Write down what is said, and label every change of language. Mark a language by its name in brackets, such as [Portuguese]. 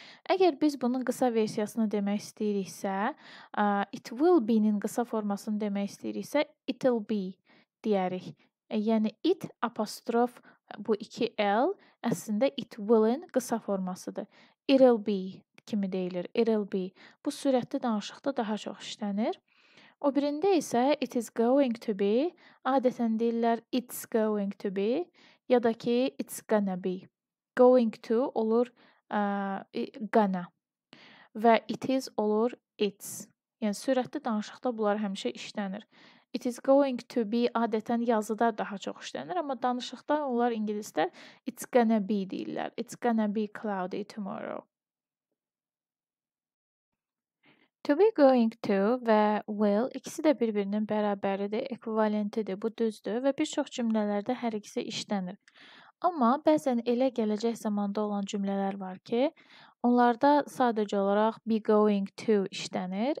[Azerbaijani] Əgər biz bunun qısa versiyasını demək istəyiriksə, [English] it will be- [Azerbaijani] nin qısa formasını demək istəyiriksə, [English] it'll be [Azerbaijani] deyərik. Yəni, it apostrof bu iki l əslində [English] it will- [Azerbaijani] in qısa formasıdır. [English] It'll be [Azerbaijani] kimi deyilir, [English] it'll be. [Azerbaijani] Bu sürətli danışıqda daha çox işlənir. O birində isə [English] it is going to be, [Azerbaijani] adətən deyirlər [English] it's going to be, [Azerbaijani] ya da ki [English] it's gonna be. Going to [Azerbaijani] olur gonna və [English] it is [Azerbaijani] olur it's. Yəni, sürətli danışıqda bunlar həmişə işlənir. [English] It is going to be [Azerbaijani] adətən yazıda daha çox işlənir, amma danışıqda onlar ingilisdə [English] it's gonna be [Azerbaijani] deyirlər. [English] It's gonna be cloudy tomorrow. [Azerbaijani] To be going to və will ikisi də bir-birinin bərabəridir, ekvivalentidir, bu düzdür və bir çox cümlələrdə hər ikisi işlənir. Amma bəzən elə gələcək zamanda olan cümlələr var ki, onlarda sadəcə olaraq be going to işlənir.